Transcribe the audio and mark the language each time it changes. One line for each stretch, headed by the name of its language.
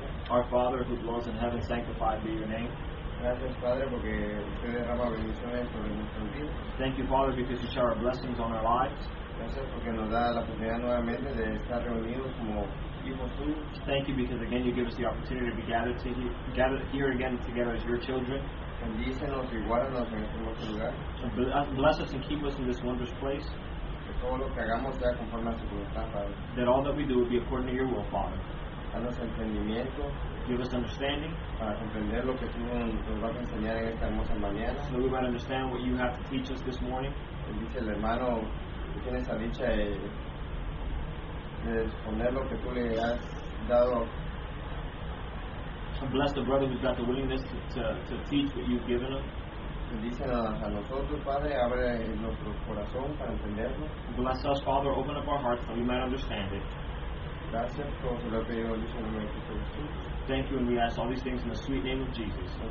English: Our Father who dwells in heaven, sanctified be your name.
Spanish: Gracias, Padre, porque usted derrama bendiciones sobre nuestro vida.
English: Thank you, Father, because you shower blessings on our lives.
Spanish: Gracias porque nos da la oportunidad nuevamente de estar reunidos como hijos tuyos.
English: Thank you because again you give us the opportunity to be gathered here again together as your children.
Spanish: Bendícenos y guárdanos en este nuestro lugar.
English: Bless us and keep us in this wondrous place.
Spanish: Todo lo que hagamos sea conforme a su voluntad, Padre.
English: That all that we do will be according to your will, Father.
Spanish: Danos entendimiento.
English: Give us understanding.
Spanish: Para comprender lo que tú nos vas a enseñar en esta hermosa mañana.
English: So we might understand what you have to teach us this morning.
Spanish: Bendice el hermano que tiene esa dicha de exponer lo que tú le has dado.
English: And bless the brother who's got the willingness to teach what you've given him.
Spanish: Bendícenos a nosotros, Padre, abre nuestro corazón para entenderlo.
English: Bless us, Father, open up our hearts so we might understand it.
Spanish: Gracias por su apoyo, Dios en el nombre de Jesús.
English: Thank you, and we ask all these things in the sweet name of Jesus.